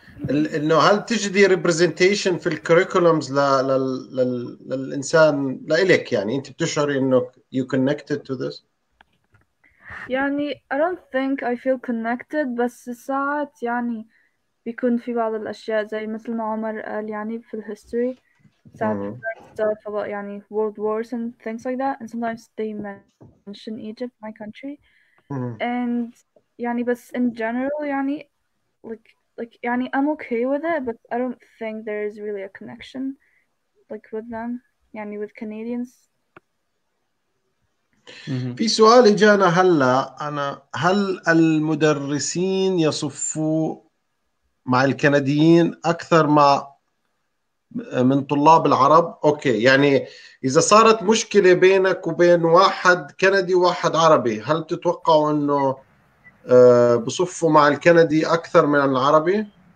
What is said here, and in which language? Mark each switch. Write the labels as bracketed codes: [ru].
[ar] انه هل تجدي ريبريزنتيشن في الكريكولمز للانسان لإلك، يعني انت بتشعري انه [en] you connected to this؟ يعني I don't think I feel connected، [ar] بس ساعات يعني بيكون في بعض الأشياء زي مثل ما عمر قال، [en] يعني في الهيستوري ساعات stuff about يعني world wars and things like that، and sometimes they mention Egypt my country. And يعني بس in general يعني like يعني I'm okay with it، but I don't think there is really a connection like with them، يعني with Canadians. [ar] في سؤال إجانا هلا، أنا هل المدرسين يصفوا مع الكنديين أكثر ما من طلاب العرب؟ أوكي، يعني إذا صارت مشكلة بينك وبين واحد كندي واحد عربي، هل تتوقعوا إنه بصفوا مع الكندي أكثر من العربي؟